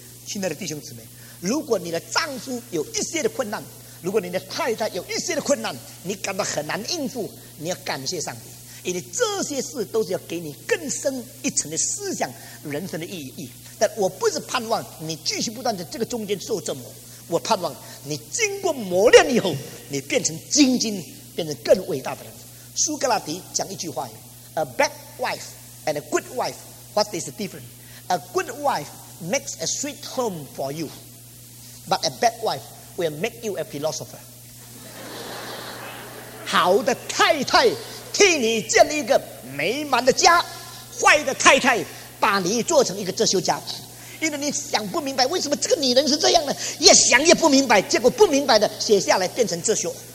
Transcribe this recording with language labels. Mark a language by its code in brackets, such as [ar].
[zh] 亲爱的弟兄姊妹，如果你的丈夫有一些的困难，如果你的太太有一些的困难，你感到很难应付，你要感谢上帝，因为这些事都是要给你更深一层的思想，人生的意义。但我不是盼望你继续不断在这个中间受折磨，我盼望你经过磨练以后，你变成精进，变成更伟大的人。苏格拉底讲一句话 [en] A bad wife and a good wife, what is the difference? A good wife makes a sweet home for you, but a bad wife will make you a philosopher. [zh] 好的太太替你建立一个美满的家，坏的太太把你做成一个哲学家。因为你想不明白为什么这个女人是这样的，越想越不明白，结果不明白的写下来变成哲学。